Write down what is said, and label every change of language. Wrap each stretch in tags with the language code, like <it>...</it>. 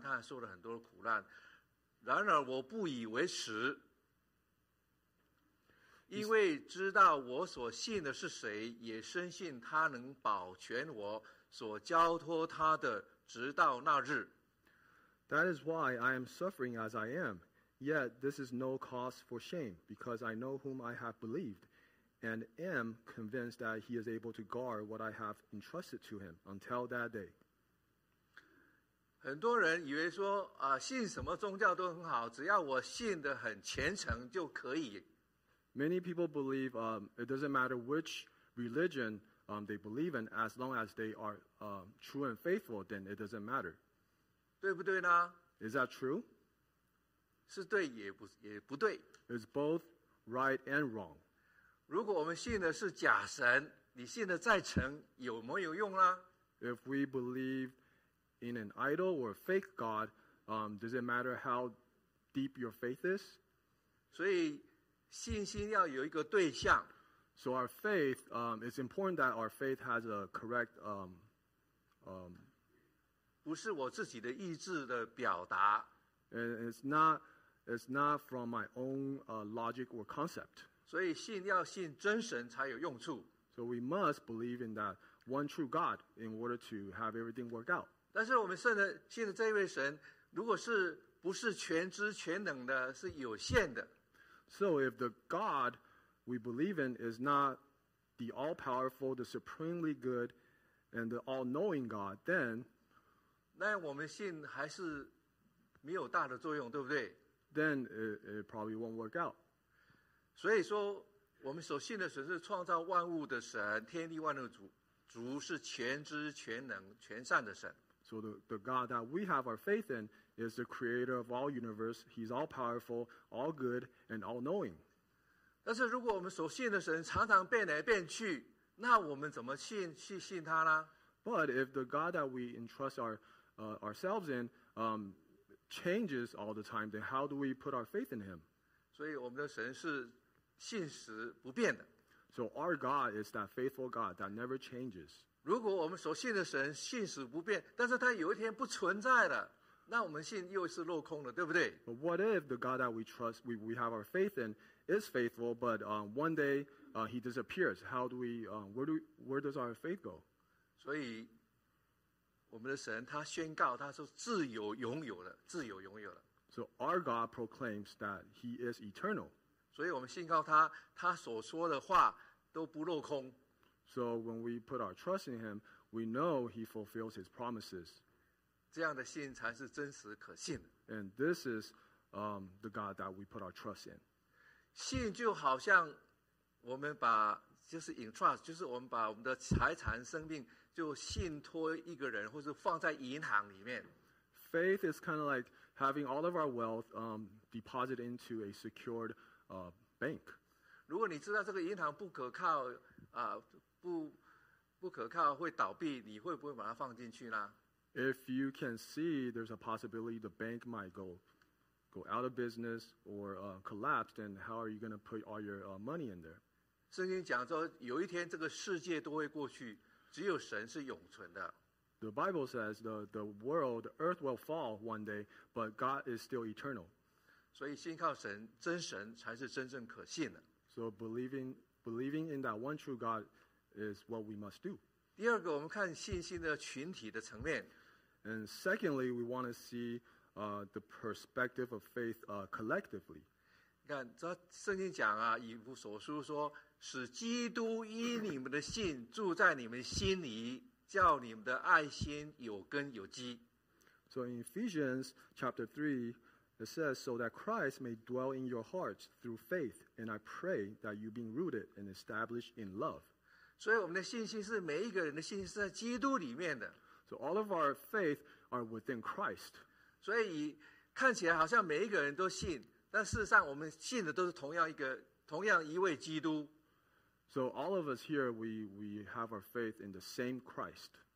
<zh>他受了很多的苦难，然而我不以为耻，因为知道我所信的是谁，也深信他能保全我所交托他的，直到那日。”</zh> <en>That is why I am suffering as I am. Yet this is no cause for shame, because I know whom I have believed, and am convinced that he is able to guard what I have entrusted to him until that day.</en> <zh>很多人以为说，信什么宗教都很好，只要我信得很虔诚就可以。</zh> <en>Many people believe it doesn't matter which religion they believe in, as long as they are true and faithful, then it doesn't matter.</en> <zh>对不对呢？</zh> <en>Is that true?</en> <zh>是对也 不对。</zh> <en>It's both right and wrong.</en> <zh>如果我们信的是假神，你信的再诚有没有用呢？</zh> <en>If we believe in an idol or a fake god, does it matter how deep your faith is?</en> <zh>所以信心要有一个对象。</zh> <en>So our faith, it's important that our faith has a correct,</en> <zh>不是我自己的意志的表达。</zh> <en>And it's not from my own logic or concept.</en> <zh>所以信要信真神才有用处。</zh> <en>So we must believe in that one true God in order to have everything work out.</en> <zh>但是我们信的这位神，如果是不是全知全能的，是有限的。</zh> <en>So if the God we believe in is not the all-powerful, the supremely good, and the all-knowing God, then</en> <zh>那我们信还是没有大的作用，对不对？</zh> <en>Then it probably won't work out.</en> <zh>所以说，我们所信的神是创造万物的神，天地万物主是全知全能全善的神。</zh> <en>So the God that we have our faith in is the creator of all universe. He's all powerful, all good, and all knowing.</en> <zh>但是如果我们所信的神常常变来变去，那我们怎么信他呢？</zh> <en>But if the God that we entrust ourselves in, changes all the time, then how do we put our faith in him?</en> <zh>所以我们的神是信实不变的。</zh> <en>So our God is that faithful God that never changes.</en> <zh>如果我们所信的神信实不变，但是他有一天不存在了，那我们信又是落空了，对不对？</zh> <en>But what if the God that we trust, we have our faith in, is faithful, but one day he disappears? How do we, where does our faith go?</en> <zh>所以我们的神他宣告，他说自由拥有了，自由拥有了。</zh> <en>So our God proclaims that he is eternal.</en> <zh>所以我们信靠他，他所说的话都不落空。</zh> <en>So when we put our trust in him, we know he fulfills his promises.</en> <zh>这样的信才是真实可信的。</zh> <en>And this is the God that we put our trust in.</en> <zh>信就好像我们把就是 entrust， 就是我们把我们的财产、生命就信托一个人，或是放在银行里面。</zh> <en>Faith is kind of like having all of our wealth deposited into a secured bank.</en> <zh>如果你知道这个银行不可靠，不可靠会倒闭，你会不会把它放进去呢？</zh> <en>If you can see there's a possibility the bank might go out of business or collapse, then how are you going to put all your money in there?</en> <zh>圣经讲说，有一天这个世界都会过去，只有神是永存的。</zh> <en>The Bible says the world, the earth will fall one day, but God is still eternal.</en> <zh>所以信靠神，真神才是真正可信的。</zh> <en>So believing in that one true God is what we must do.</en> <zh>第二个，我们看信心的群体的层面。</zh> <en>And secondly, we want to see the perspective of faith collectively.</en> <zh>看，这圣经讲啊，以弗所书说，使基督因你们的信住在你们心里。叫你们的爱心有根有基。</zh> <en>So in Ephesians chapter 3, it says, so that Christ may dwell in your hearts through faith, and I pray that you being rooted and established in love.</en> <zh>所以我们的信心是每一个人的信心是在基督里面的。</zh> <en>So all of our faith are within Christ.</en> <zh>所以看起来好像每一个人都信，但事实上我们信的都是同样一位基督。</zh> <en>So all of us here, we have our faith in the same Christ.</en>